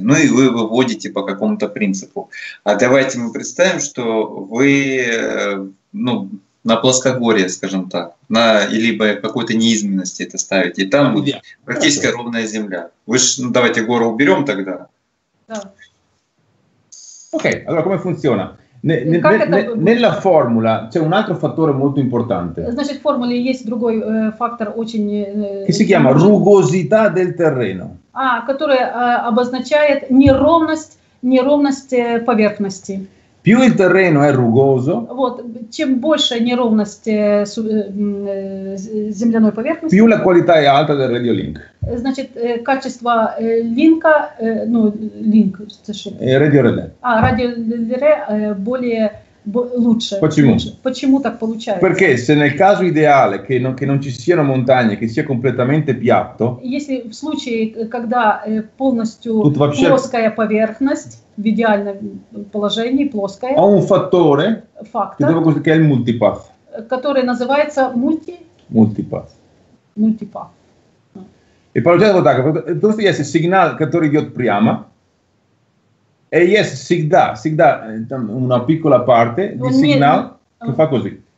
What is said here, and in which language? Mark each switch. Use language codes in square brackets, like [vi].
[ru] Ну и вы выводите по какому-то принципу. А давайте мы представим, что вы ну, на плоскогорье, скажем так, на, либо какой-то неизменности это ставите. И там будет практически ровная земля. Вы ж, ну, давайте гору уберем тогда. Окей, а как функционирует? [it] Nella [ru] формула [it] c'è un altro fattore molto importante. [ru] Значит, в формуле есть другой фактор очень... [it] Che si chiama rugosità del terreno. [ru] А, который обозначает неровность поверхности. [it] Più il terreno è rugoso, [ru] вот, чем больше неровность земляной поверхности, [it] più la qualità è alta del radio link. [ru] Значит, качество линка, ну, линк, это что? Радиореле. А, радиореле более лучше. Почему? Почему так получается? Perché se nel caso ideale che non ci siano montagne, che sia completamente piatto. Если в случае, когда полностью вообще... плоская поверхность, в идеальном положении, плоская. [it] А un fattore, [ru] фактор, [it] che è il multipath. [ru] Который называется [en] Multipath. Multipath. [ru] И получается вот так, то что есть сигнал, который идет прямо, и есть всегда там [it] una piccola parte di [ru] сигнал, [it] che fa così.